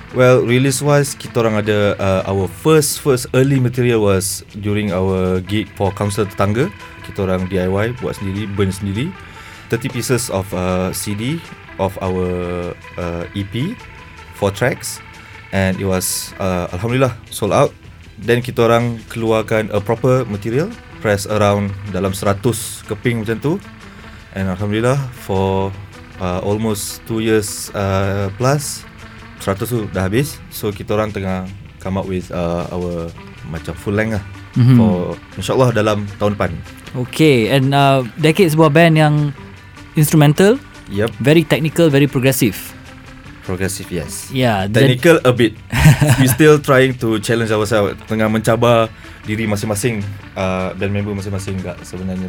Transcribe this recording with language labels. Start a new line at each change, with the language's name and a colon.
English: Well, release-wise,
Malay: kita orang ada
English: our first early material was during our gig for Council Tetangga.
Malay: Kita orang DIY, buat sendiri, burn sendiri.
English: 30 pieces of CD of our EP, 4 tracks. And it was, Alhamdulillah, sold out.
Malay: Then kita orang keluarkan
English: a proper material, press around
Malay: dalam 100 keping macam tu.
English: And Alhamdulillah, for almost 2 years plus, 100
Malay: tu dah habis.
English: So
Malay: kita orang tengah
English: come up with our macam full length lah. Mm-hmm.
Malay: For insyaAllah dalam tahun depan. Okay, and Decade sebuah band yang instrumental.
English: Yep. Very technical, very progressive. Progressive, yes. Yeah, technical a bit. We still trying to challenge ourselves.
Malay: Tengah mencabar diri masing-masing dan member masing-masing juga sebenarnya.